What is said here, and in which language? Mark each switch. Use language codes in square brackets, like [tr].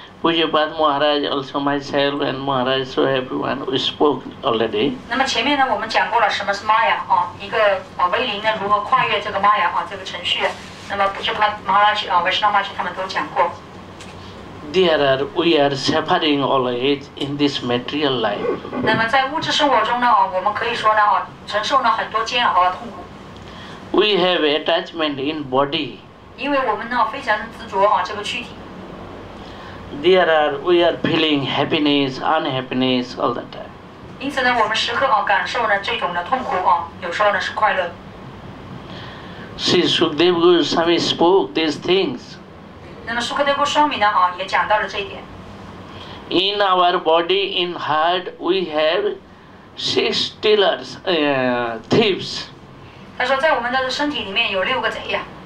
[en] Pujapad Maharaj, also myself and Maharaj, so everyone we spoke already. [zh] 那么前面呢我们讲过了什么是 Maya 一个威灵如何跨越这个 Maya 这个程序。那么Vaishnava Maharaj他们都讲过。 [en] There are, we are suffering always in this material life. [zh] 那么在物质生活中呢我们可以说呢承受了很多煎熬和痛苦。 [en] We have attachment in body. [zh] 因为我们呢非常执着这个躯体。 [en] There are, we are feeling happiness, unhappiness all the time. [zh] 因此呢我们时刻感受呢这种的痛苦有时候呢是快乐。 [en] See, Sukadeva Goswami spoke these things. [zh] 那么Sukadeva Goswami呢也讲到了这一点。 [en] In our body, in heart, we have six stealers, thieves. [zh] 他说在我们的身体里面有六个贼呀。